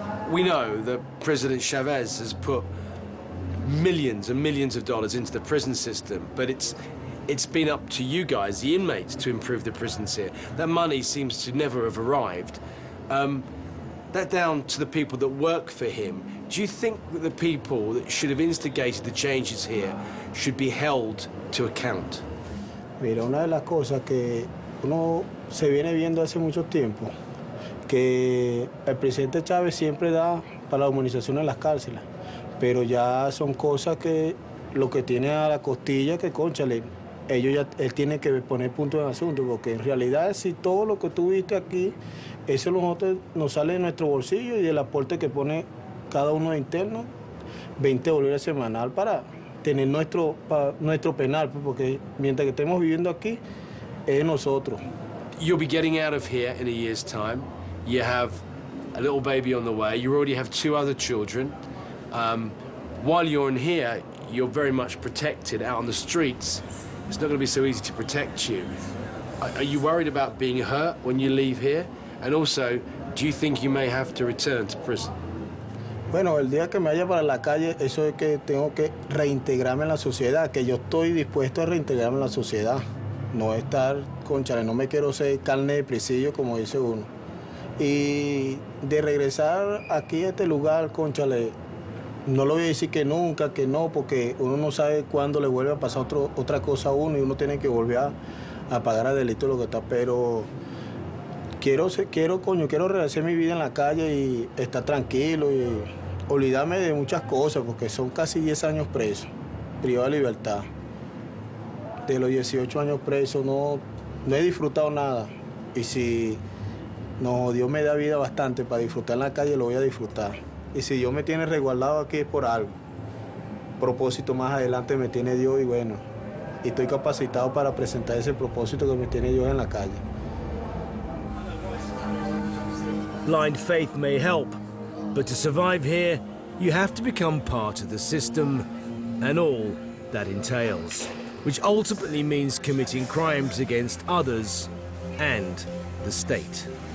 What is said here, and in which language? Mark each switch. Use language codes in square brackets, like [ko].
[en] We know that President Chavez has put millions and millions of dollars into the prison system, but it's been up to you guys, the inmates, to improve the prisons here. That money seems to never have arrived. That down to the people that work for him. Do you think that the people that should have instigated the changes here should be held to account? [es] Mira, una de las cosas que uno se viene viendo hace mucho tiempo, que el presidente Chávez siempre da para la humanización en las cárceles, pero ya son cosas que lo que tiene a la costilla, que conchale, ellos ya, él tiene que poner punto en asunto, porque en realidad si todo lo que tú viste aquí, eso nosotros, nos sale de nuestro bolsillo y del aporte que pone cada uno de internos, $20 semanal para tener nuestro, para nuestro penal, porque mientras que estemos viviendo aquí, es nosotros. [en] You'll be getting out of here in a year's time. You have a little baby on the way. You already have two other children. While you're in here, you're very much protected. Out on the streets, it's not going to be so easy to protect you. Are you worried about being hurt when you leave here? And also, do you think you may have to return to prison? [es] Bueno, el día que me vaya para la calle, eso es que tengo que reintegrarme en la sociedad, que yo estoy dispuesto a reintegrarme en la sociedad. No estar con chale, no me quiero ser carne de presillo, como dice uno. Y de regresar aquí a este lugar, conchale, no lo voy a decir que nunca, que no, porque uno no sabe cuándo le vuelve a pasar otra cosa a uno y uno tiene que volver a pagar el delito lo que está. Pero quiero regresar mi vida en la calle y estar tranquilo y olvidarme de muchas cosas, porque son casi 10 años preso, privado de libertad. De los 18 años preso no he disfrutado nada. Y si no, Dios me da vida bastante para disfrutar en la calle, lo voy a disfrutar. Y si Dios me tiene resguardado aquí es por algo. Propósito más adelante me tiene Dios y bueno, y estoy capacitado para presentar ese propósito que me tiene Dios en la calle. [en] Blind faith may help, but to survive here, you have to become part of the system and all that entails, which ultimately means committing crimes against others and the state.